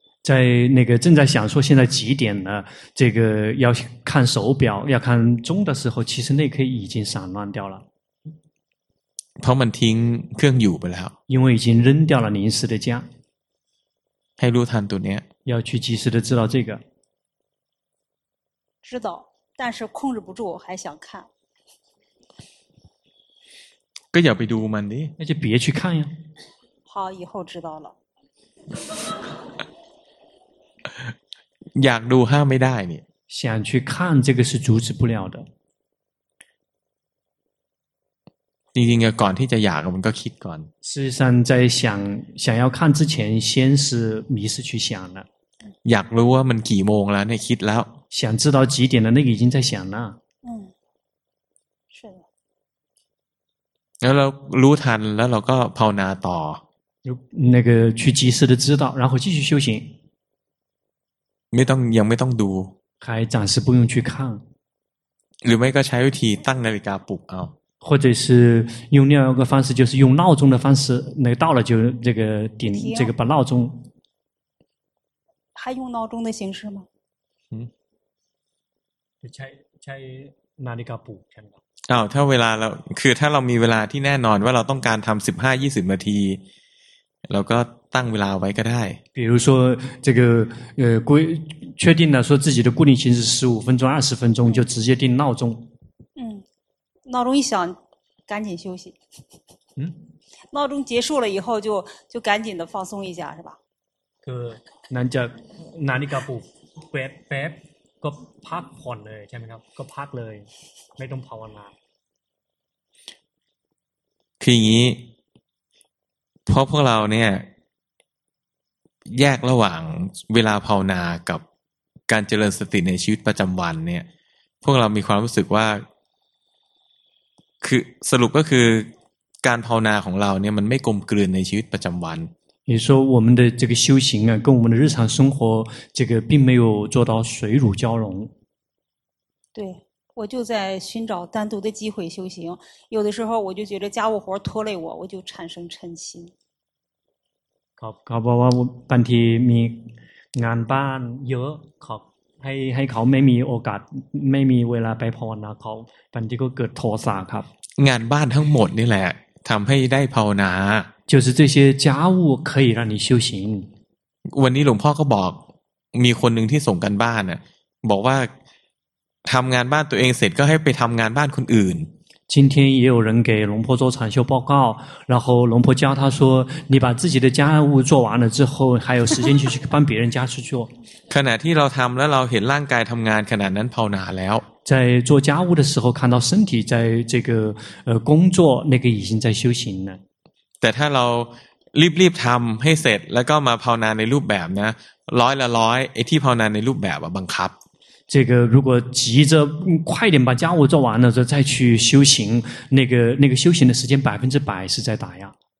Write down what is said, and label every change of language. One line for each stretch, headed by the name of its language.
Chinese: 在那个正在想说现在几点呢这个要看手表要看钟的时候其实那颗已经散乱掉了
Thai: เพราะมันทิ้งเครื่องอยู่ไปแล้ว
Chinese: 因为已经扔掉了临时的家
Thai: ให้รู้ทันตัวเนี้ย
Chinese: 要去及时的知道这个知道但是控制不住还想看
Thai: ก็อย่าไปดูมันดิ
Chinese: 那就别去看呀好以后知道了
Thai: อยากดูห้ามไม่ได้เนี่ย
Chinese: 想去看这个是阻止不了的
Thai: จริงๆก่อนที่จะอยากมันก็คิดก่อน
Chinese: 事实上在想要看之前先是迷失去想了
Thai: อยากรู้ว่ามันกี่โมงแล้วเนี่ยคิดแล้ว
Chinese: 想知道几点了那个已经在想了
Thai: แล้วเรารู้ทันแล้วเราก็ภาวนาต่อ
Chinese: 那个去及时的知道然后继续修行
Thai: ไม่ต้องยังไม่ต้องดู
Chinese: 还暂时不用去看
Thai: หรือไม่ก็ใช้วิธีตั้งนาฬิกาปลุกเอา
Chinese: 或者是用另外一个方式就是用闹钟的方式那个到了就这个点这个把闹钟还用闹钟的形式吗
Thai: 就ใช้นาฬิกาปลุกใช่ไหม อ้าวถ้าเวลาเราคือถ้าเรามีเวลาที่แน่นอนว่าเราต้องการทำ 15-20 นาทีเราก็ตั้งเวลาไว้ก็ได้
Chinese: 比如说这个规确定了说自己的固定形式15分钟20分钟就直接定闹钟闹钟一响赶紧休息闹钟结束了以后就赶紧的放松一下是吧
Thai: คือนั่นจะนาฬิกาปลุกแป๊บๆก็พักผ่อนเลยใช่ไหมครับก็พักเลยไม่ต้องภาวนา คืออย่างนี้เพราะพวกเราเนี่ยแยกระหว่างเวลาภาวนากับการเจริญสติในชีวิตประจำวันเนี่ยพวกเรามีความรู้สึกว่าคือสรุปก็คือการภาวนาของเราเนี่ยมันไม่กลมกลืนในชีวิตประจำวัน หมายความว่าเราได้เจริญ
Chinese: 修行啊跟我们的日常生活这个并没有做到水乳交融对我就在寻找单独的机会修行，有的时候我就觉得家务活拖累我，我就产生嗔心。
Thai: เขาบอกว่าบางทีมีงานบ้านเยอะเขาให้เขาไม่มีโอกาสไม่มีเวลาไปภาวนาเขาบางทีก็เกิดโทสะครับ งานบ้านทั้งหมดนี่แหละทำให้ได้ภาวนา
Chinese: 就是这些家务可以让你修行
Thai: วันนี้หลวงพ่อก็บอกมีคนหนึ่งที่ส่งกันบ้านน่ะบอกว่าทำงานบ้านตัวเองเสร็จก็ให้ไปทำงานบ้านคนอื่น
Chinese: 今天也有人给龙婆做禅修报告，然后龙婆教他说：“你把自己的家务做完了之后，还有时间去帮别人家事做。”
Thai: ขณะที่เราทำและเราเห็นร่างกายทำงานขนาดนั้นภาวนาแล้ว
Chinese: 在做家务的时候看到身体在这个工作那个已经在修行了。
Thai: แต่ถ้าเรารีบๆทำให้เสร็จแล้วก็มาภาวนาในรูปแบบนะร้อยละร้อยไอ้ที่ภาวนาในรูปแบบบังคับ
Chinese: 这个如果急着快点把家务做完了再去修行那个修行的时间百分之百是在打压